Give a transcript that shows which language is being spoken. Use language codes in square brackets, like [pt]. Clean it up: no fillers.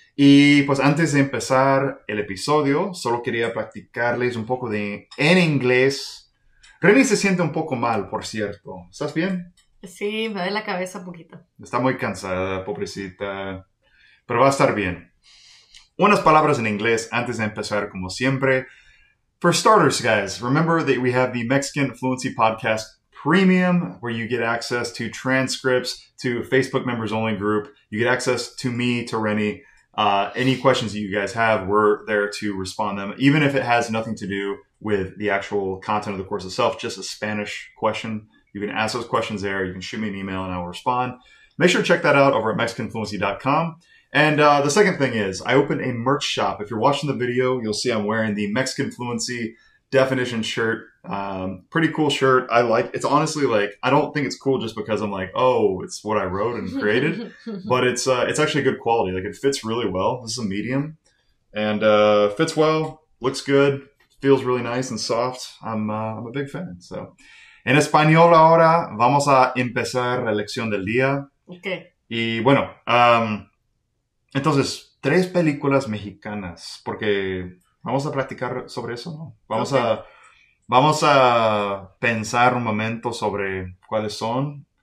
[es] Y pues antes de empezar el episodio, solo quería platicarles un poco de en inglés. René se siente un poco mal, por cierto. ¿Estás bien? Sí, me duele la cabeza un poquito. Está muy cansada, pobrecita. Pero va a estar bien. Unas palabras en inglés antes de empezar, como siempre. [en] For starters, guys, remember that we have the Mexican Fluency Podcast Premium, where you get access to transcripts, to Facebook members-only group. You get access to me, to Rennie. Any questions that you guys have, we're there to respond them, even if it has nothing to do with the actual content of the course itself, just a Spanish question. You can ask those questions there. You can shoot me an email and I'll respond. Make sure to check that out over at MexicanFluency.com. And the second thing is, I opened a merch shop. If you're watching the video, you'll see I'm wearing the Mexican Fluency Definition shirt. Pretty cool shirt. I like it. It's honestly like, I don't think it's cool just because I'm like, oh, it's what I wrote and created. But it's actually good quality. Like, it fits really well. This is a medium. And fits well. Looks good. Feels really nice and soft. I'm a big fan, so... [es] En español ahora vamos a empezar la lección del día. [en] Okay. [es] Y bueno, entonces, tres películas mexicanas, porque vamos a practicar sobre eso, ¿no? Vamos a pensar un momento sobre cuáles son.